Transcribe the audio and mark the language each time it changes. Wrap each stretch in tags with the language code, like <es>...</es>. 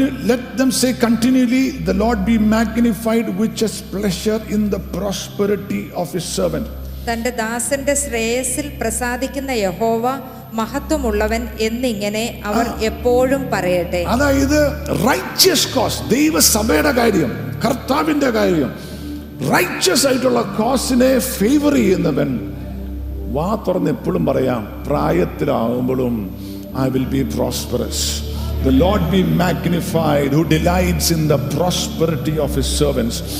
<en>Let them say continually, the Lord be magnified, which has pleasure in the prosperity of his servant.</en> <ml>തന്റെ ദാസന്റെ ശ്രേയസ്സിൽ പ്രസാദിക്കുന്ന യഹോവ മഹത്വമുള്ളവൻ എന്നിങ്ങനെ അവർ എപ്പോഴും പറയട്ടെ. അതായത് righteous cause, ദൈവസഭയുടെ കാര്യം, കർത്താവിന്റെ കാര്യം, righteous ആയിട്ടുള്ള കോസിനെ ഫേവർ ചെയ്യുന്നവൻ വാ തുറന്ന് എപ്പോഴും പറയാം, പ്രായത്തിലാകുമ്പോഴും</ml> <en>I will be prosperous. The Lord be magnified who delights in the prosperity of his servants.</en>